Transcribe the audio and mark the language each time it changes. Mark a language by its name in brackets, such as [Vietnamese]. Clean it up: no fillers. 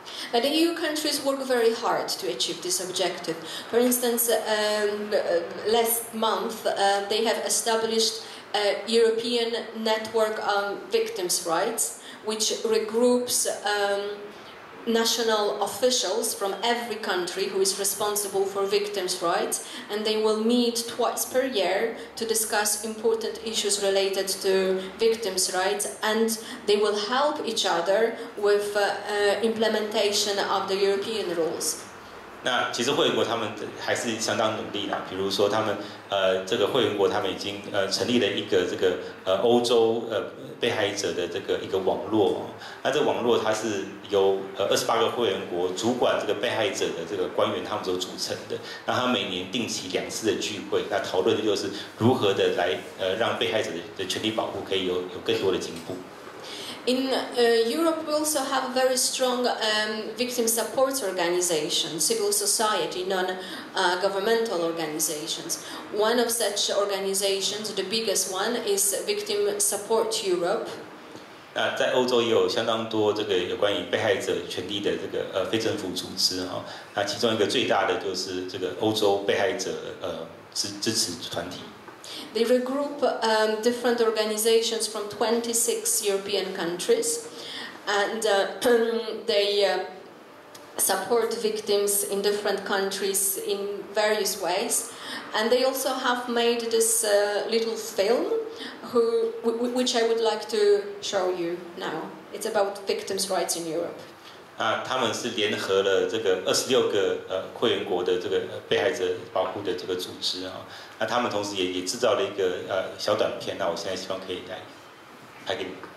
[English] But EU countries work very hard to achieve this objective. For instance, last month, they have established. A European network on victims' rights, which regroups national officials from every country who is responsible for victims' rights, and they will meet twice per year to discuss important issues related to victims' rights, and they will help each other with implementation of the European rules. [Chinese] 那其实会员国他们还是相当努力的，比如说他们这个会员国他们已经成立了一个这个欧洲被害者的这个一个网络，那这个网络它是由28个会员国主管这个被害者的这个官员他们所组成的，那他每年定期两次的聚会，那讨论的就是如何的来让被害者的权利保护可以有更多的进步。 [English] In Europe, we also have very strong victim support organizations, civil society, non-governmental organizations. One of such organizations, the biggest one, is Victim Support Europe. [Chinese] 那在欧洲也有相当多这个有关于被害者权利的这个非政府组织哈。那其中一个最大的就是这个欧洲被害者支持团体。 [English] They regroup different organizations from 26 European countries, and they support victims in different countries in various ways. And they also have made this little film, which I would like to show you now. It's about victims' rights in Europe. [Chinese] 他们是联合了这个26个会员国的这个被害者保护的这个组织啊，那他们同时也制造了一个小短片，那我现在希望可以来拍给你。